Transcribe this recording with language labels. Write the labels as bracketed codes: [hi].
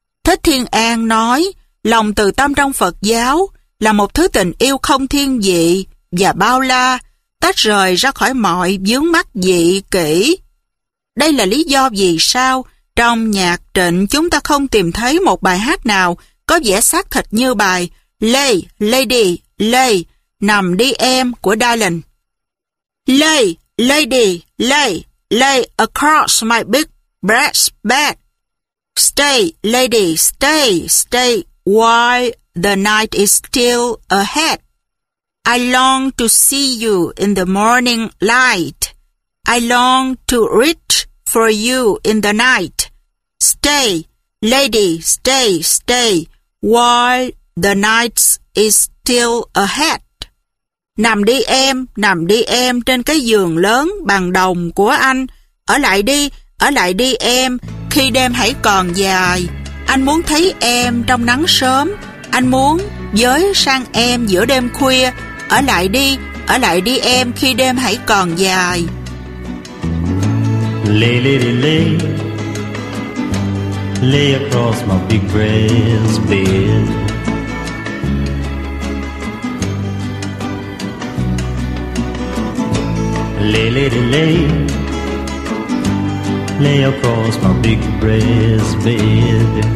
[vi] Thích Thiên An nói, lòng từ tâm trong Phật giáo là một thứ tình yêu không thiên vị và bao la, tách rời ra khỏi mọi vướng mắc vị kỷ. Đây là lý do vì sao trong nhạc Trịnh chúng ta không tìm thấy một bài hát nào có vẻ xác thịt như bài Lay, Lady, Lay, Nằm Đi Em của Dylan. [en] Lay, Lady, Lay, Lay Across My Big Brass Bed. Stay, Lady, Stay, Stay While The Night Is Still Ahead. I long to see you in the morning light. I long to reach for you in the night. Stay, Lady, Stay, Stay While The night is still ahead. [vi] Nằm đi em trên cái giường lớn bằng đồng của anh. Ở lại đi em, khi đêm hãy còn dài. Anh muốn thấy em trong nắng sớm. Anh muốn với sang em giữa đêm khuya. Ở lại đi em khi đêm hãy còn dài. [en] Lay, lay, lay, lay. Lay across my big breast bed. Lay, lay, lay, lay. Lay across my big breast bed.